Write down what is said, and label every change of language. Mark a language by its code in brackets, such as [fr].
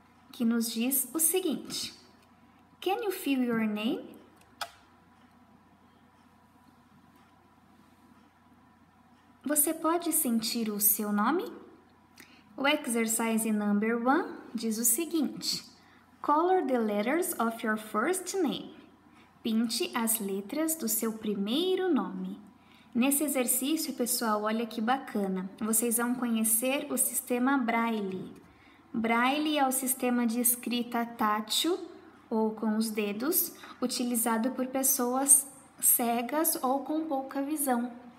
[pt] Que nos diz o seguinte. [en] Can you feel your name? [pt] Você pode sentir o seu nome? O exercise number 1 diz o seguinte. [en] Color the letters of your first name. [pt] Pinte as letras do seu primeiro nome. Nesse exercício, pessoal, olha que bacana. Vocês vão conhecer o sistema Braille. Braille é o sistema de escrita tátil ou com os dedos, utilizado por pessoas cegas ou com pouca visão.